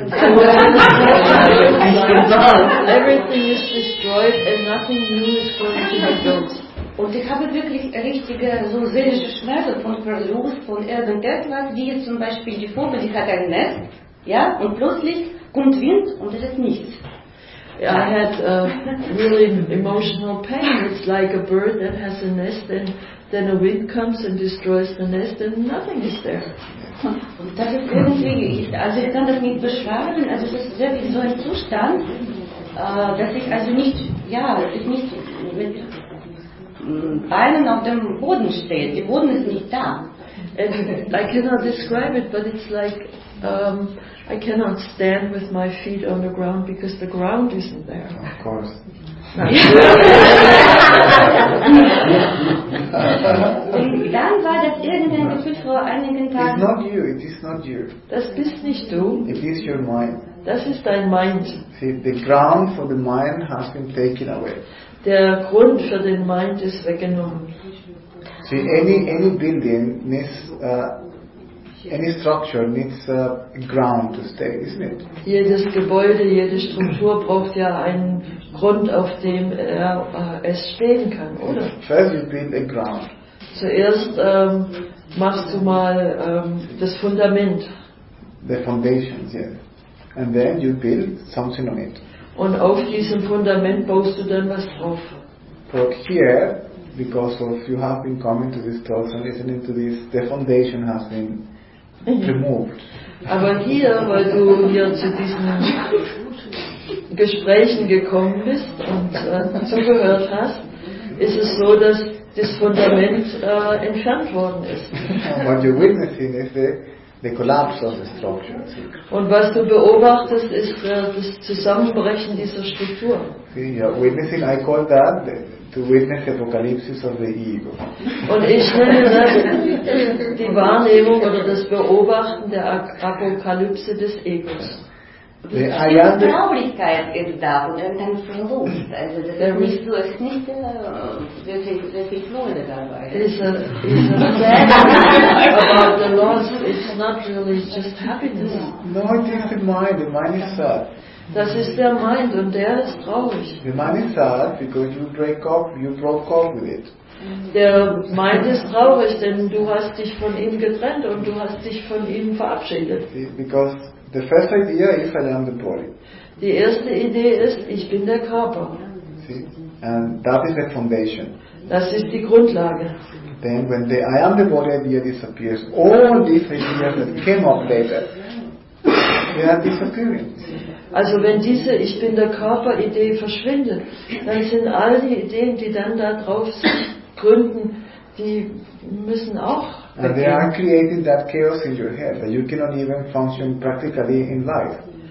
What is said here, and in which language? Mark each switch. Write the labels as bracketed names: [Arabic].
[English] Everything is destroyed and nothing new is going to be built. [German] Und ich habe wirklich richtige so seelische Schmerzen von Verlust von irgendetwas, wie jetzt zum Beispiel die Vogel, die hat ein Nest, ja, und plötzlich kommt Wind und es ist nichts. [English] I had a really emotional pain. It's like a bird that has a nest and then a wind comes and destroys the nest and nothing is there. [German] Und das ist irgendwie, also ich kann das nicht beschreiben, also es ist wirklich so ein Zustand, dass ich also nicht, ja, ich nicht mit Beinen auf dem Boden stehe. Der Boden ist nicht da. [English] And I cannot describe it, but it's like I cannot stand with my feet on the ground because the ground isn't there. Of course. [German] Und dann war das irgendein Gefühl vor einigen Tagen. [English] It's not you, it is not you. [German] Das bist nicht du. [English] It is your mind. [German] Das ist dein Mind. [English] See, the ground for the mind has been taken away. [German] Der Grund für den Mind ist weggenommen. [English] See, any building needs any structure needs ground to stay, isn't it? [German] Jedes Gebäude, jede Struktur braucht ja einen Grund, auf dem er es stehen kann, oder? [English] First you build a ground. [German] Zuerst machst du mal das Fundament. [English] The foundations, yes. And then you build something on it. [German] Und auf diesem Fundament baust du dann was drauf. [English] But here, because of you have been coming to this talk and listening to this, the foundation has been removed. [German] Aber hier, weil du hier zu diesen Gesprächen gekommen bist und zugehört hast, ist es so, dass das Fundament entfernt worden ist. [English] What you're witnessing is the collapse of the structure. [German] Und was du beobachtest, ist das Zusammenbrechen dieser Struktur. [English] See, you're witnessing, I call that to witness the apocalypse of the ego. [German] Und ich nenne das die Wahrnehmung oder das Beobachten der Apokalypse des Egos. Das ist Möglichkeit ist da und irgendein Verlust. Also das ist nicht so, es ist nicht wirklich Freude dabei. [English] About the loss, it's not really just happiness. No, it is the mind is sad. [German] Das ist der Mind und der ist traurig. [English] The mind is sad because you break up, you broke up with it. [German] Der Mind ist traurig, denn du hast dich von ihm getrennt und du hast dich von ihm verabschiedet. [English] Because the first idea is I am the body. [German] Die erste Idee ist, ich bin der Körper. [English] See? And that is the foundation. [German] Das ist die Grundlage. [English] Then when the I am the body idea disappears, all these ideas that came up later, they are disappearing. [German] Also wenn diese Ich bin der Körper Idee verschwindet, dann sind all die Ideen, die dann da drauf sich gründen, die müssen auch weggehen. [English] And they are creating that chaos in your head that you cannot even function practically in life.